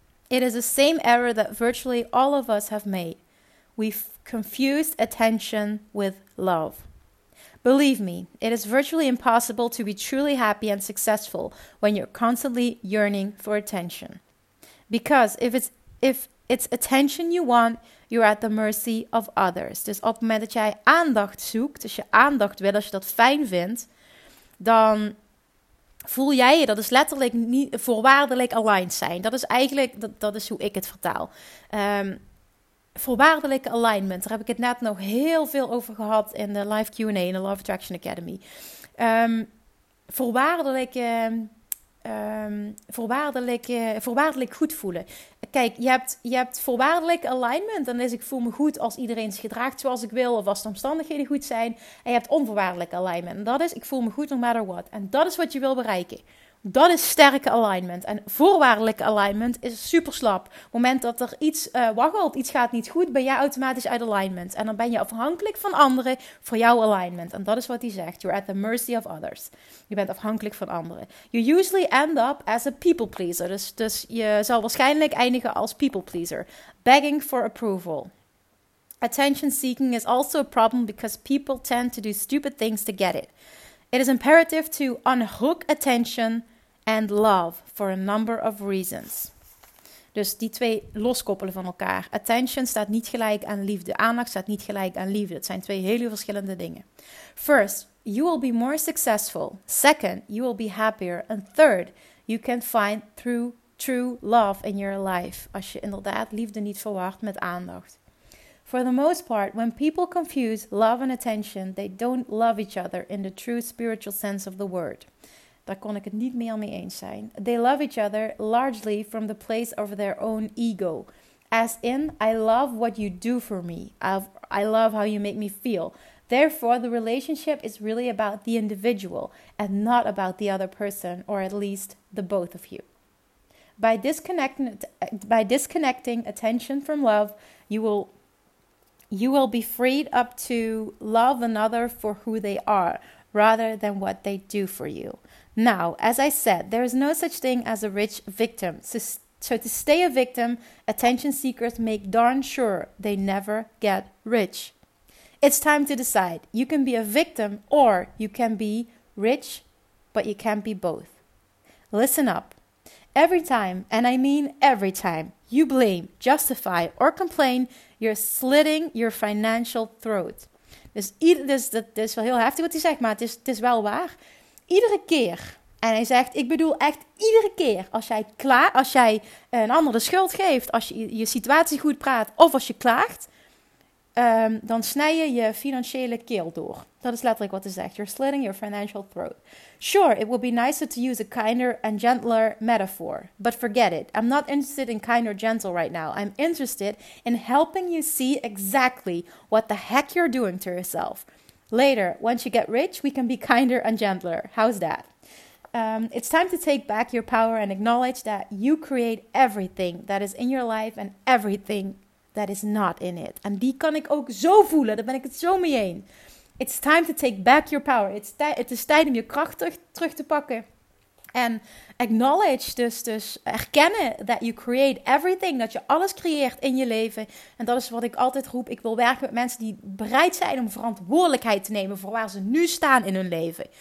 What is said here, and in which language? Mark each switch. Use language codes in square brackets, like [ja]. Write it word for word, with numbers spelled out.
[en] It is the same error that virtually all of us have made. We've confused attention with love. Believe me, it is virtually impossible to be truly happy and successful when you're constantly yearning for attention. Because if it's if it's attention you want, you're at the mercy of others. [nl] Dus op het moment dat jij aandacht zoekt, als je aandacht wil, als je dat fijn vindt, dan voel jij je, dat is letterlijk niet voorwaardelijk aligned zijn. Dat is eigenlijk, dat, dat is hoe ik het vertaal. Um, Voorwaardelijke alignment. Daar heb ik het net nog heel veel over gehad in de live Q and A in de Law of Attraction Academy. Um, voorwaardelijke, um, voorwaardelijke, voorwaardelijk goed voelen. Kijk, je hebt, je hebt voorwaardelijk alignment. Dan is ik voel me goed als iedereen zich gedraagt zoals ik wil. Of als de omstandigheden goed zijn. En je hebt onvoorwaardelijk alignment. En dat is ik voel me goed [en] no matter what. [nl] En dat is wat je wil bereiken. Dat is sterke alignment. En voorwaardelijke alignment is super slap. Op het moment dat er iets uh, waggelt, iets gaat niet goed, ben jij automatisch uit alignment. En dan ben je afhankelijk van anderen voor jouw alignment. En dat is wat hij zegt. [en] You're at the mercy of others. [nl] Je bent afhankelijk van anderen. [en] You usually end up as a people pleaser. [nl] Dus, dus je zal waarschijnlijk eindigen als people pleaser. [en] Begging for approval. Attention seeking is also a problem because people tend to do stupid things to get it. It is imperative to unhook attention and love for a number of reasons. [nl] Dus die twee loskoppelen van elkaar. Attention staat niet gelijk aan liefde. Aandacht staat niet gelijk aan liefde. Het zijn twee hele verschillende dingen. [en] First, you will be more successful. Second, you will be happier. And third, you can find true, true love in your life. [nl] Als je inderdaad liefde niet verward met aandacht. [en] For the most part, when people confuse love and attention, they don't love each other in the true spiritual sense of the word. [nl] Daar kon ik het niet meer mee eens zijn. [en] They love each other largely from the place of their own ego. As in, I love what you do for me. I've, I love how you make me feel. Therefore, the relationship is really about the individual and not about the other person, or at least the both of you. By disconnecting, by disconnecting attention from love, you will You will be freed up to love another for who they are, rather than what they do for you. Now, as I said, there is no such thing as a rich victim. So, so to stay a victim, attention seekers make darn sure they never get rich. It's time to decide. You can be a victim or you can be rich, but you can't be both. Listen up. Every time, and I mean every time, you blame, justify or complain, you're slitting your financial throat. [nl] Dus, ieder, dus dat is wel heel heftig wat hij zegt, maar het is, het is wel waar. Iedere keer, en hij zegt, ik bedoel echt iedere keer, als jij, klaar, als jij een ander de schuld geeft, als je je situatie goed praat of als je klaagt, um, dan snij je je financiële keel door. Dat is letterlijk wat hij zegt. [en] You're slitting your financial throat. Sure, it would be nicer to use a kinder and gentler metaphor, but forget it. I'm not interested in kind or gentle right now. I'm interested in helping you see exactly what the heck you're doing to yourself. Later, once you get rich, we can be kinder and gentler. How's that? Um, it's time to take back your power and acknowledge that you create everything that is in your life and everything that is not in it. [nl] En die kan ik ook zo voelen. Daar ben ik het zo mee heen. [en] It's time to take back your power. [nl] It's t- het is tijd om je kracht terug, terug te pakken. En acknowledge, dus, dus erkennen [en] that you create everything, [nl] dat je alles creëert in je leven. En dat is wat ik altijd roep. Ik wil werken met mensen die bereid zijn om verantwoordelijkheid te nemen voor waar ze nu staan in hun leven.